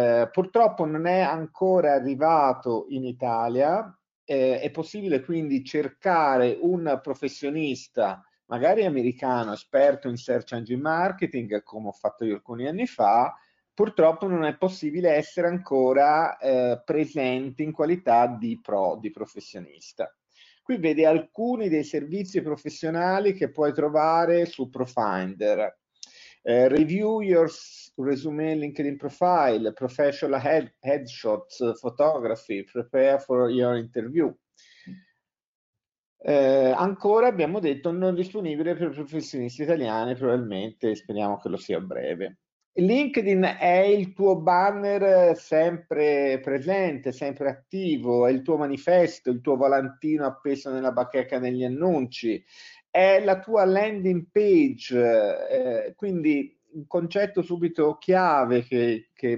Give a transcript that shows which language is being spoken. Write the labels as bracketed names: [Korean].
[Italian] Purtroppo non è ancora arrivato in Italia, è possibile quindi cercare un professionista, magari americano, esperto in search engine marketing, come ho fatto io alcuni anni fa. Purtroppo non è possibile essere ancora presenti in qualità di professionista. Qui vedi alcuni dei servizi professionali che puoi trovare su ProFinder. [English] Review your resume LinkedIn profile, professional headshots, photography, prepare for your interview. [Italian] Ancora abbiamo detto non disponibile per professionisti italiani, probabilmente speriamo che lo sia a breve. LinkedIn è il tuo banner sempre presente, sempre attivo, è il tuo manifesto, il tuo volantino appeso nella bacheca degli annunci, è la tua landing page, quindi un concetto subito chiave che